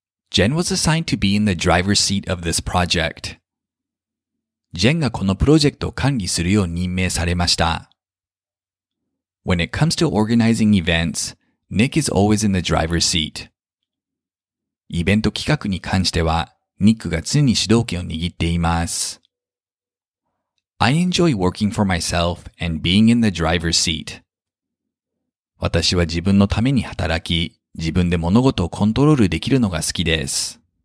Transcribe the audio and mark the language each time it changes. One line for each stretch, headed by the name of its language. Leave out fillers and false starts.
English: Jen was assigned to be in the driver's seat of this project.
Japanese: ジェンがこのプロジェクトを管理するよう任命されました。
English: When it comes to organizing events, Nick is always in the driver's seat.
Japanese: イベント企画に関しては、ニックが常に主導権を握っています。
English: I enjoy working for myself and being in the driver's seat.
Japanese: 私は自分のために働き、自分で物事をコントロールできるのが好きです。